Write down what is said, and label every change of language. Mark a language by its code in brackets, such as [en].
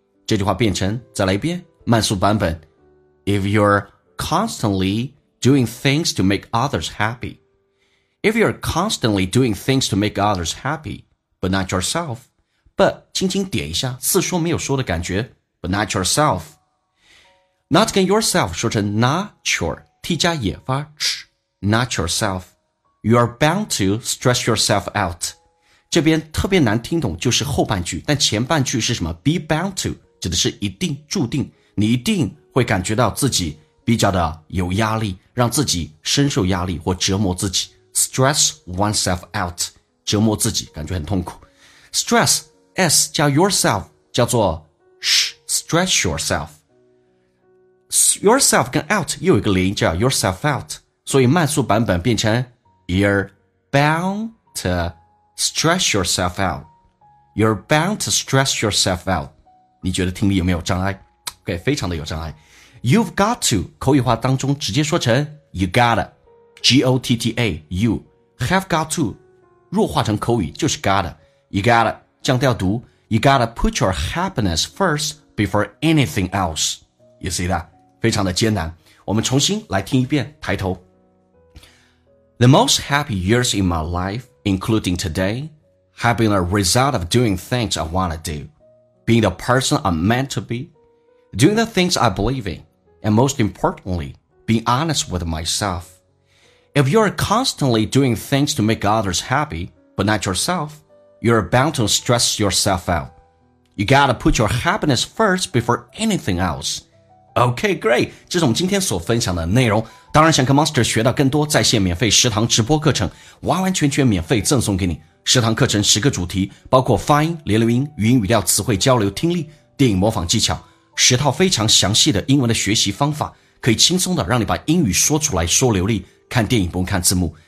[zh] 这句话变成再来一遍慢速版本 [en] If you're constantly doing things to make others happy, if you're constantly doing things to make others happy, but not yourself, but [zh] 轻轻点一下似说没有说的感觉 [en] but not yourself, not 跟 yourself 说成 not your, T 加也发 ch, not yourself,You are bound to stress yourself out. [zh] 这边特别难听懂就是后半句，但前半句是什么 ? [en] Be bound to, [zh] 指的是一定注定，你一定会感觉到自己比较的有压力，让自己深受压力或折磨自己。 [en] Stress oneself out, [zh] 折磨自己感觉很痛苦。 [en] Stress, S 叫 yourself, 叫做 stress yourself. Yourself 跟 out [zh] 又有一个零叫 [en] yourself out, [zh] 所以慢速版本变成 [en] You're bound to stress yourself out. You're bound to stress yourself out. [zh] 你觉得听力有没有障碍？ OK, 非常的有障碍。 [en] You've got to, [zh] 口语化当中直接说成 [en] you gotta, G-O-T-T-A, you, have got to, [zh] 弱化成口语就是 [en] gotta, you gotta, 降调读 you gotta put your happiness first before anything else. You see that? [zh] 非常的艰难。我们重新来听一遍抬头。 [en] The most happy years in my life, including today, have been a result of doing things I want to do, being the person I'm meant to be, doing the things I believe in, and most importantly, being honest with myself. If you're constantly doing things to make others happy, but not yourself, you're bound to stress yourself out. You gotta put your happiness first before anything else. OK, great, [zh] 这是我们今天所分享的内容。当然想跟 Monster 学到更多在线免费食堂直播课程完完全全免费赠送给你。食堂课程十个主题包括发音、连留音、语音语调、词汇交流、听力、电影模仿技巧。十套非常详细的英文的学习方法可以轻松的让你把英语说出来说流利看电影不用看字幕。